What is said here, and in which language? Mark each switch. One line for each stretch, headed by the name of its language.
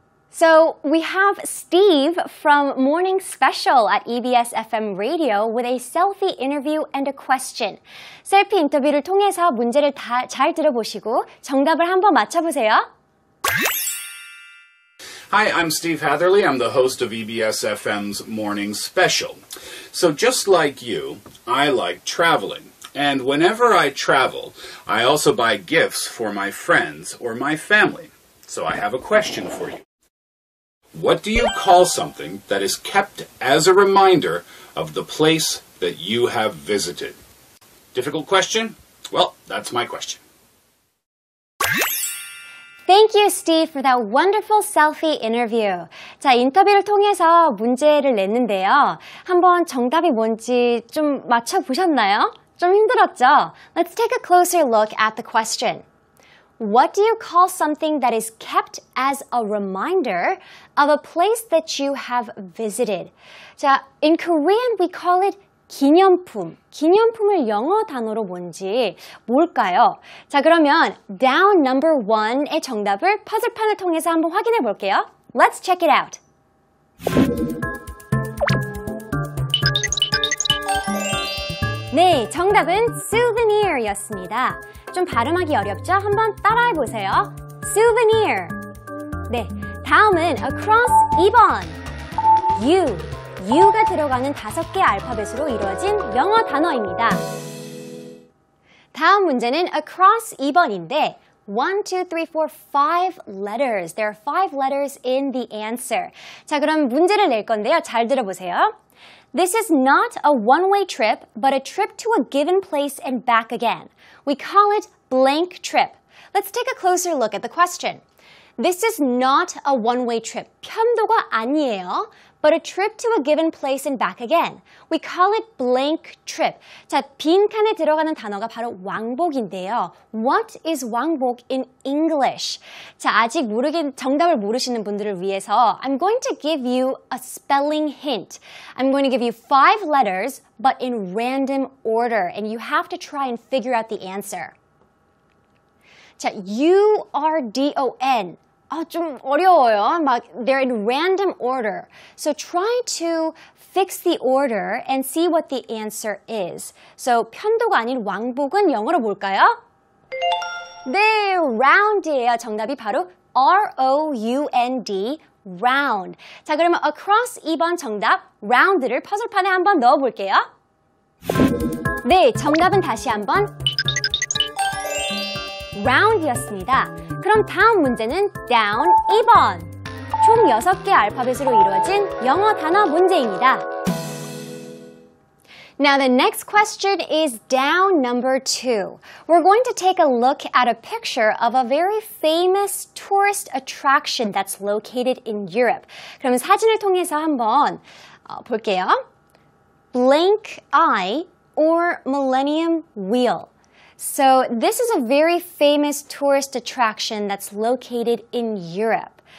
English: So we have Steve from Morning Special at EBS FM Radio with a selfie interview and a question.
Korean: 셀피 인터뷰를 통해서 문제를 다 잘 들어보시고 정답을 한번 맞춰보세요.
English: Hi, I'm Steve Hatherly. I'm the host of EBS FM's Morning Special. So just like you, I like traveling. And whenever I travel, I also buy gifts for my friends or my family. So I have a question for you. What do you call something that is kept as a reminder of the place that you have visited? Difficult question? Well, that's my question. Thank you, Steve, for that wonderful selfie interview.
Korean: 자, 인터뷰를 통해서 문제를 냈는데요. 한번 정답이 뭔지 좀 맞춰보셨나요? 좀 힘들었죠?
English: Let's take a closer look at the question. What do you call something that is kept as a reminder of a place that you have visited? 자, in Korean, we call it 기념품.
Korean: 기념품을 영어 단어로 뭔지 뭘까요? 자, 그러면
English: down number one
Korean: 의 정답을 퍼즐판을 통해서 한번 확인해 볼게요.
English: Let's check it out.
Korean: (목소리) 네, 정답은 souvenir였습니다. 좀 발음하기 어렵죠? 한번 따라해 보세요. Souvenir. 네, 다음은 across 2번. You. U가 들어가는 다섯 개 알파벳으로 이루어진 영어 단어입니다. 다음 문제는 across 2번인데
English: 1, 2, 3, 4, 5 letters. There are 5 letters in the answer.
Korean: 자, 그럼 문제를 낼 건데요. 잘 들어보세요.
English: This is not a one-way trip, but a trip to a given place and back again. We call it blank trip. Let's take a closer look at the question. This is not a one-way trip.
Korean: 편도가 아니에요.
English: But a trip to a given place and back again. We call it blank trip.
Korean: 자, 빈 칸에 들어가는 단어가 바로 왕복인데요.
English: What is 왕복 in English?
Korean: 자, 아직 정답을 모르시는 분들을 위해서
English: I'm going to give you a spelling hint. I'm going to give you 5 letters, but in random order. And you have to try and figure out the answer.
Korean: 자, U-R-D-O-N. 아, 좀 어려워요.
English: 막 they're in random order. So try to fix the order and see what the answer is.
Korean: So 편도가 아닌 왕복은 영어로 뭘까요? 네, round이에요. 정답이 바로 R-O-U-N-D, round. 자, 그러면 across 2번 정답, round를 퍼즐판에 한번 넣어볼게요. 네, 정답은 다시 한번 round이었습니다. 그럼 다음 문제는 down 2번. 총 6개 알파벳으로 이루어진 영어 단어 문제입니다.
English: Now the next question is down number 2. We're going to take a look at a picture of a very famous tourist attraction that's located in Europe.
Korean: 그럼 사진을 통해서 한번 볼게요.
English: Blink Eye or Millennium Wheel. So this is a very famous tourist attraction that's located in Europe.